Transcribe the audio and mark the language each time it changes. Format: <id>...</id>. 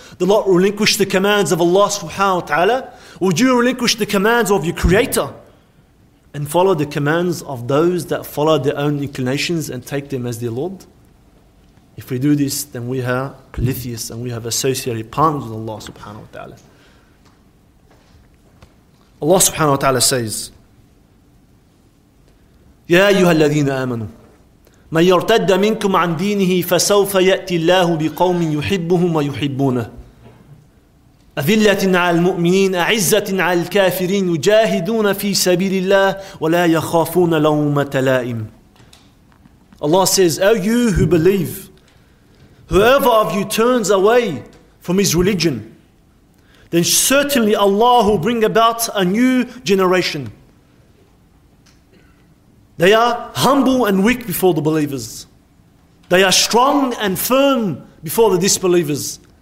<en>Do not relinquish the commands of Allah subhanahu wa ta'ala. Would you relinquish the commands of your Creator and follow the commands of those that follow their own inclinations and take them as their Lord? If we do this, then we are polytheists and we have associated partners with Allah subhanahu wa ta'ala. Allah subhanahu wa ta'ala says,</en> <ar>يَا أَيُّهَا الَّذِينَ آمَنُوا مَنْ يَرْتَدَّ مِنْكُمْ عَنْ دِينِهِ فَسَوْفَ يَأْتِي اللَّهُ بِقَوْمٍ يُحِبُّهُمْ وَيُحِبُّونَهُ أَذِلَّةٍ عَلَى الْمُؤْمِنِينَ أَعِزَّةٍ عَلَى الْكَافِرِينَ يُجَاهِدُونَ فِي سَبِيلِ اللَّهِ وَلَا يَخَافُونَ لَوْمَةَ لَائِمٍ.</ar> <en>Allah says, O you who believe, whoever of you turns away from his religion, then certainly Allah will bring about a new generation. They are humble and weak before the believers. They are strong and firm before the disbelievers.</en>